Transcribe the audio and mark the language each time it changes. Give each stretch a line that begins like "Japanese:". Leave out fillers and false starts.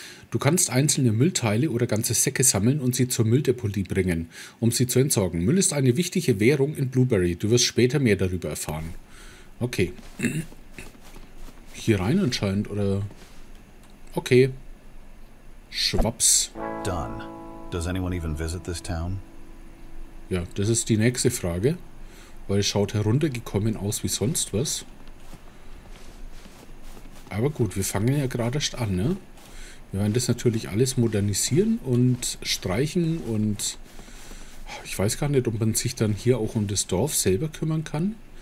German: Du kannst einzelne Müllteile oder ganze Säcke sammeln und sie zur Mülldeponie bringen, um sie zu entsorgen. Müll ist eine wichtige Währung in Blueberry. Du wirst später mehr darüber erfahren. Okay. Hier rein anscheinend, oder? Okay. Schwaps.
English: Done. Does anyone even visit this town?
German: Ja, das ist die nächste Frage. Weil es schaut heruntergekommen aus wie sonst was. Aber gut, wir fangen ja gerade erst an, ne? Wir werden das natürlich alles modernisieren und streichen und ich weiß gar nicht, ob man sich dann hier auch um das Dorf selber kümmern kann.